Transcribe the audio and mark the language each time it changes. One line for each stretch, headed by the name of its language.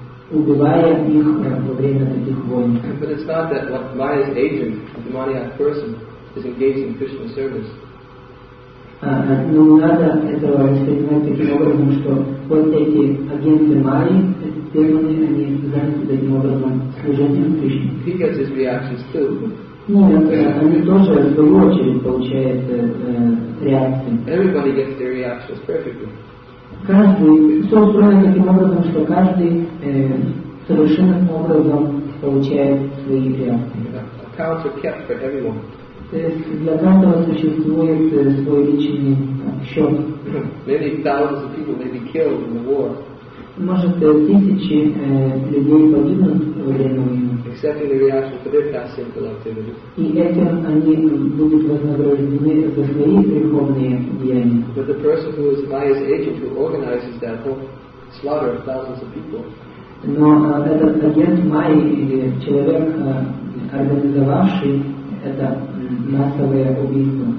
Russian: Убивая их во время таких войн.
English: But it's not that Maya's agent, a demoniac person, is engaged in Krishna service.
Russian: Но не надо этого воспринимать таким образом, что вот эти агенты Майи, эти демоны, они заняты таким образом служением Кришне.
English: He gets his reactions too.
Russian: Нет, они тоже в свою очередь получают реакции.
English: Everybody gets their reactions perfectly.
Russian: Каждый, все устроено таким образом, что каждый совершенно образом получает свои реакции. То есть для каждого существует свой личный счет.
English: Maybe thousands of people may be killed in the war.
Russian: Может, тысячи людей погибнут во время войны.
English: Accepting the reaction for their past simple activities.
Russian: И этим они будут вознаграждены за свои греховные деяния.
English: But the person who is Maya's agent, who organizes that whole slaughter of thousands of people.
Russian: Но этот агент Майи, человек, организовавший это массовое убийство,